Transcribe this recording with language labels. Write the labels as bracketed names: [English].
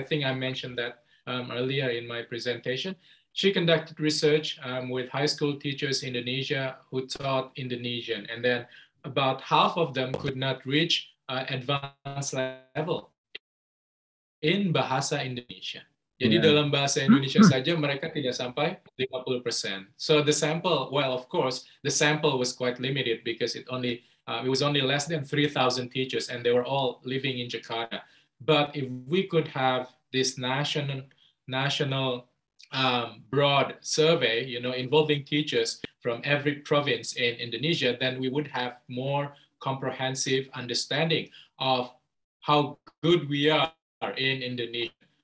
[English] I think I mentioned that earlier in my presentation. She conducted research with high school teachers in Indonesia who taught Indonesian, and then about half of them could not reach advanced level in Bahasa Indonesia. [Indonesian] Jadi dalam Bahasa Indonesia saja mereka tidak sampai 50%. [English] So the sample, well, of course, the sample was quite limited because it was only less than 3,000 teachers, and they were all living in Jakarta. But if we could have this national broad survey, involving teachers from every province in Indonesia, then we would have more comprehensive understanding of how good we are in Indonesia.